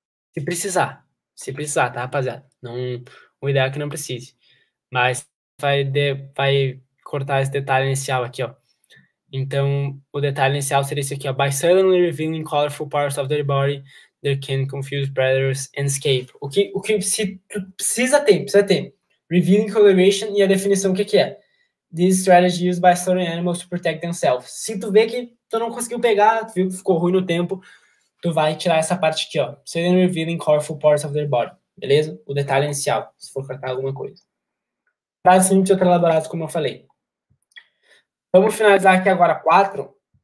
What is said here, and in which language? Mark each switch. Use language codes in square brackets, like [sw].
[pt] Se precisar, tá, rapaziada? Não, o ideal é que não precise. Mas vai cortar esse detalhe inicial aqui, ó. Então, o detalhe inicial seria esse aqui, ó. [en] By suddenly revealing colorful parts of their body, they can confuse predators and escape. [pt] O que se tu precisa ter. Revealing coloration e a definição que é. [en] This strategy used by certain animals to protect themselves. [pt] Se tu vê que tu não conseguiu pegar, tu viu que ficou ruim no tempo, tu vai tirar essa parte aqui, ó. [en] Suddenly revealing colorful parts of their body. [pt] Beleza? O detalhe inicial, se for cortar alguma coisa. Frases simples e outras elaboradas, como eu falei. Vamos finalizar aqui agora 4.